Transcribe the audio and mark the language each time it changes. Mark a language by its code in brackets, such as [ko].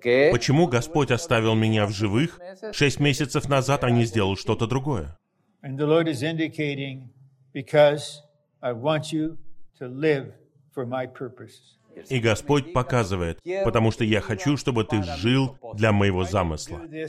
[ru] Почему Господь оставил меня в живых 6 месяцев назад, а не сделал что-то другое? [en] And the Lord is indicating because I want you to live for my purposes. [ru] И Господь показывает, потому что я хочу, чтобы ты жил для моего замысла.